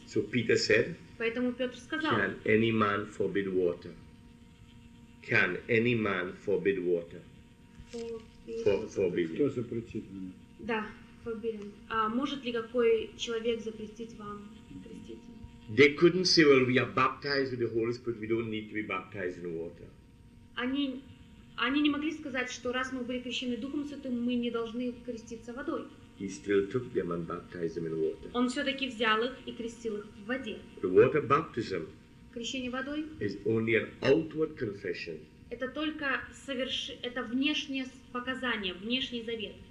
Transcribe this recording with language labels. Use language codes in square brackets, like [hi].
[en] So Peter said, [ru] поэтому Петр сказал, [en] can any man forbid water? Can any man forbid water? Forbidden. [ru] Кто запретит? Да, [en] forbidden. [ru] А может ли какой человек запретить вам креститься? [en] They couldn't say, well, we are baptized with the Holy Spirit, we don't need to be baptized in water. [ru] Они не могли сказать, что раз мы были крещены Духом Святым, мы не должны креститься водой. [en] He still took them and baptized them in water. [ru] Он все-таки взял их и крестил их в воде. [en] The water baptism [ru] крещение водой [en] is only an outward confession. [ru] Это только это внешнее показание, внешний завет.